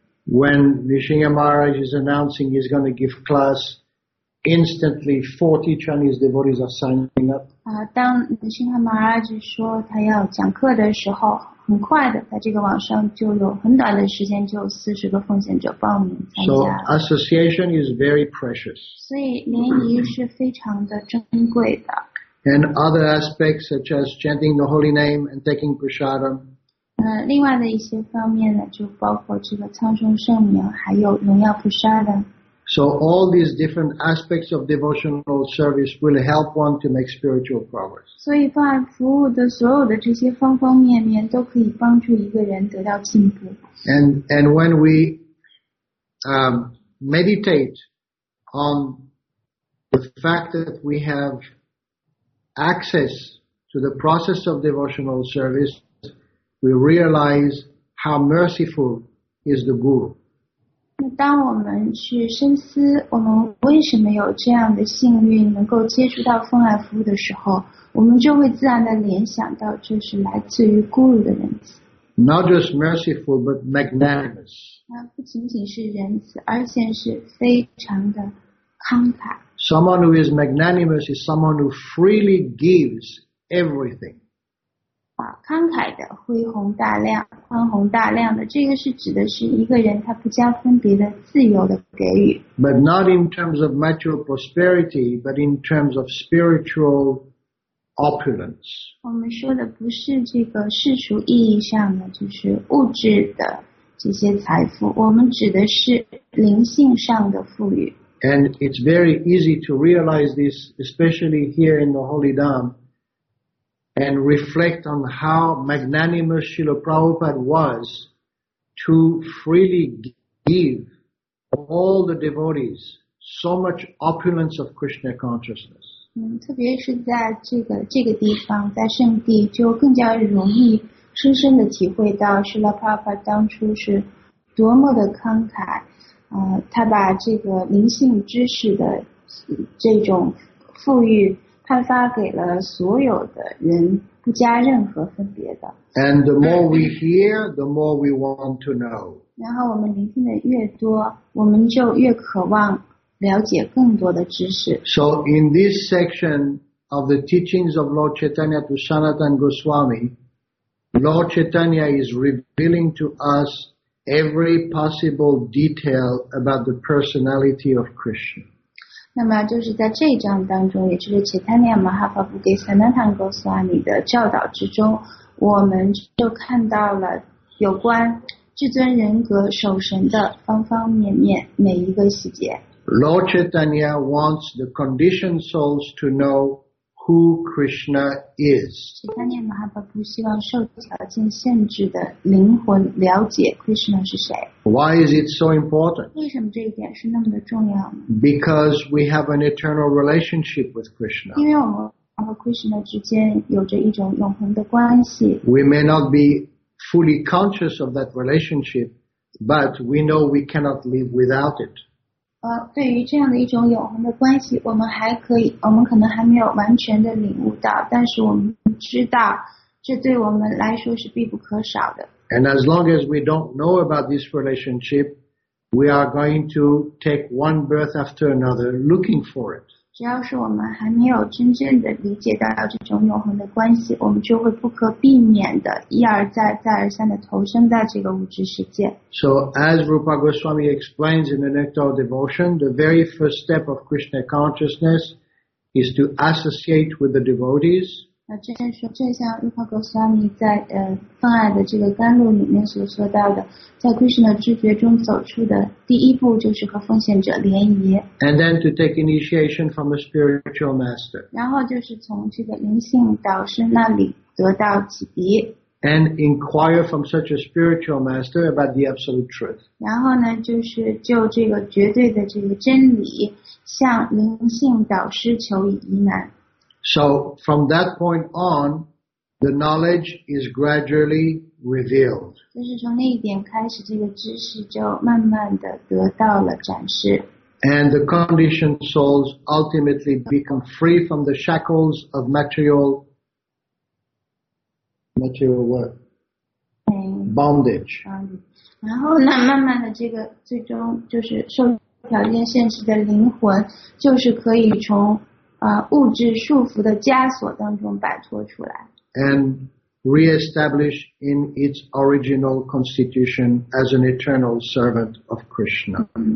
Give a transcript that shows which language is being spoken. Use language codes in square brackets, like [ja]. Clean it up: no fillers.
[en] When Nrisimha Maharaj is announcing he's going to give class, instantly 40 Chinese devotees are signing up. [zh] 当 Nrisimha Maharaj 说他要讲课的时候，很快的在这个网上就有很短的时间就40个奉献者报名参加。 [en] So association is very precious. [zh] 所以联谊是非常的珍贵的。 [en] And other aspects such as chanting the holy name and taking prasadam. [zh] 另外的一些方面呢，就包括这个唱诵圣名，还有荣耀普沙的。 [en] So all these different aspects of devotional service will help one to make spiritual progress. [zh] 所以发愿服务的所有的这些方方面面都可以帮助一个人得到进步。 [en] And when we meditate on the fact that we have access to the process of devotional service, we realize how merciful is the guru. [zh] 当我们去深思我们为什么有这样的幸运能够接触到奉爱服务的时候，我们就会自然地联想到这是来自于guru的仁慈。 [en] Not just merciful, but magnanimous. [zh] 不仅仅是仁慈，而且是非常的慷慨。 [en] Someone who is magnanimous is someone who freely gives everything. [zh] 啊，慷慨的，恢宏大量，宽宏大量的，这个是指的是一个人他不加分别的自由的给予。 [en] But not in terms of material prosperity, but in terms of spiritual opulence. [zh] 我们说的不是这个世俗意义上的，就是物质的这些财富，我们指的是灵性上的富裕。 [en] And it's very easy to realize this, especially here in the Holy Dham, and reflect on how magnanimous Srila Prabhupada was to freely give all the devotees so much opulence of Krishna consciousness. [zh] 特别是在这个地方，在圣地就更加容易深深地体会到 Srila Prabhupada 当初是多么的慷慨。他把这个灵性知识的这种富裕颁发给了所有的人，不加任何分别的。 [en] And the more we hear, the more we want to know. [zh] 然后我们聆听的越多，我们就越渴望了解更多的知识。 [en] So in this section of the teachings of Lord Chaitanya to Sanatana Goswami, Lord Chaitanya is revealing to us every possible detail about the personality of Krishna. [zh] 那么就是在这一章当中，也就是 Chaitanya Mahaprabhu 给 Sanatana Goswami 的教导之中，我们就看到了有关至尊人格守神的方方面面，每一个细节。 [en] Lord Chaitanya wants the conditioned souls to know who Krishna is. [zh] Chaitanya Mahaprabhu 希望受条件限制的灵魂了解 Krishna 是谁。 [en] Why is it so important? [zh] 为什么这一点是那么的重要呢？ [en] Because we have an eternal relationship with Krishna. [zh] 因为我们和 Krishna 之间有着一种永恒的关系。 [en] We may not be fully conscious of that relationship, but we know we cannot live without it. [zh] 对于这样的一种永恒的关系，我们还可以，我们可能还没有完全的领悟到，但是我们知道，这对我们来说是必不可少的。 [en] And as long as we don't know about this relationship, we are going to take one breath after another looking for it. [zh] 只要是我们还没有真正的理解到这种永恒的关系，我们就会不可避免的一而再、再而三的投身在这个物质世界。 [en] So as Rupa Goswami explains in the Nectar Devotion, the very first step of Krishna consciousness is to associate with the devotees. [zh] 那正像 Rupa Goswami 在泛爱的这个甘露里面所说到的，在 Krishna 知觉中走出的第一步就是和奉献者联谊。 [en] And then to take initiation from a spiritual master. [zh] 然后就是从这个灵性导师那里得到启迪。 [en] And inquire from such a spiritual master about the absolute truth. [zh] 然后呢，就是就这个绝对的这个真理，向灵性导师求以疑难。 [en] So from that point on, the knowledge is gradually revealed. [zh] 就是从那一点开始，这个知识就慢慢的得到了展示。 [en] And the conditioned souls ultimately become free from the shackles of material what? Bondage. [zh] 然后呢，慢慢的，这个最终就是受条件限制的灵魂，就是可以从物质束缚的枷锁当中摆脱出来。 [en] And reestablish in its original constitution as an eternal servant of Krishna.